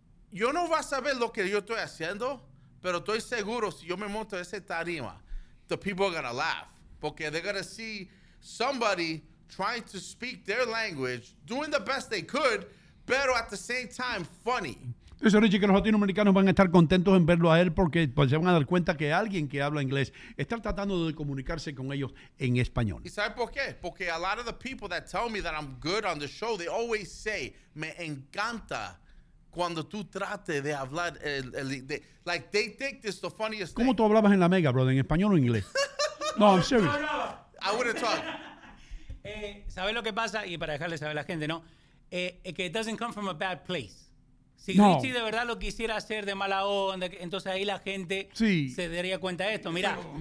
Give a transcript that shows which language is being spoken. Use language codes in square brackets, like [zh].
[es] Yo no voy a saber lo que yo estoy haciendo, pero estoy seguro si yo me monto ese tarima, [en] the people are going to laugh porque they're going to see somebody trying to speak their language, doing the best they could, pero at the same time funny. [es] Eso, Richie, que los latinoamericanos van a estar contentos en verlo a él porque pues, se van a dar cuenta que alguien que habla inglés está tratando de comunicarse con ellos en español. ¿Y sabes por qué? [en] Porque a lot of the people that tell me that I'm good on the show, they always say, [es] me encanta cuando tú trates de hablar, [en] like they think this is the funniest thing. [es] ¿Cómo tú hablabas en la mega, brother? ¿En español o inglés? [en] No, I'm serious. I wouldn't talk. [es] ¿Sabes lo que pasa? Y para dejarle saber a la gente, ¿no? [en] Que it doesn't come from a bad place. Si [es] no. Richie de verdad lo quisiera hacer de mala onda, entonces ahí la gente sí. se daría cuenta de esto. Mira.